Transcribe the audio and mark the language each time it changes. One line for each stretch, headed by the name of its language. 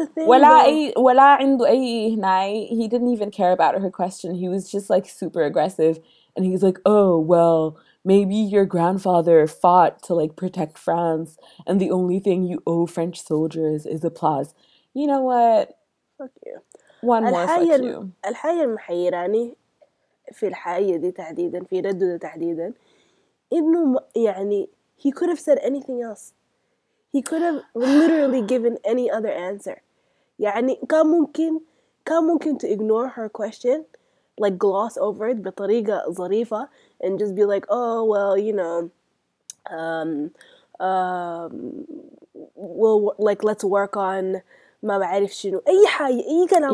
English: the thing, though. He didn't even care about her question. He was just like super aggressive, and he was like, "Oh, well, maybe your grandfather fought to like protect France, and the only thing you owe French soldiers is applause." You know what? Fuck you. One more fuck you.
Arabic: الحاجة المحيراني في الحاجة دي تحديدا، في رده ده تحديدا، إنه يعني
English: he could have said anything else. He could have literally given any other answer.
Arabic: يعني كان ممكن
English: to ignore her question, like gloss over it
Arabic: بطريقة ظريفة
English: and just be like, oh, well, you know, well, like, let's work on
Arabic: ما بعرف شنو، أي حاجة، أي كلام